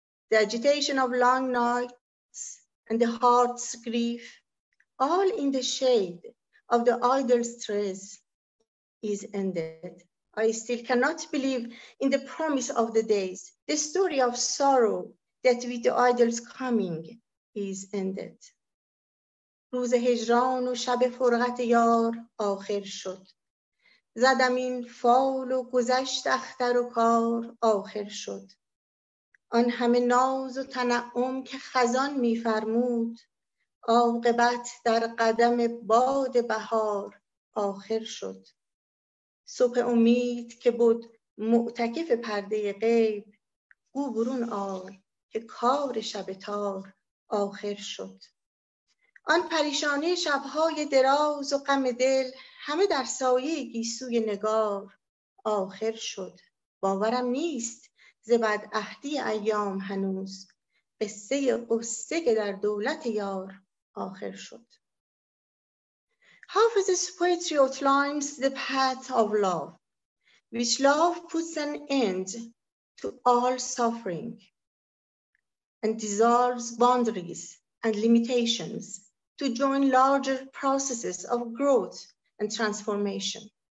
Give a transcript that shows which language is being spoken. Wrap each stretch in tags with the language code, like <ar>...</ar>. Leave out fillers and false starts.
<en>The agitation of long nights and the heart's grief, all in the shade of the idle stress, is ended. I still cannot believe in the promise of the days, the story of sorrow that with the idol's coming is ended.</en> <fa>روز هجران و شب فرقت یار آخر شد. زدم این فال و گذشت اختر و کار آخر شد. آن همه ناز و تنعم که خزان می فرمود. عاقبت در قدم باد بهار آخر شد. صبح امید که بود معتکف پرده غیب. گو برون آی که کار شب تار آخر شد. آن پریشانی شبهای دراز و غم دل همه در سایه گیسوی نگار آخر شد. باورم نیست ز بد عهدی ایام هنوز قصه قصه که در دولت یار آخر شد.</fa> <en>Hafez's poetry outlines the path of love, which love puts an end to all suffering and dissolves boundaries and limitations to join larger processes of growth and transformation.</en>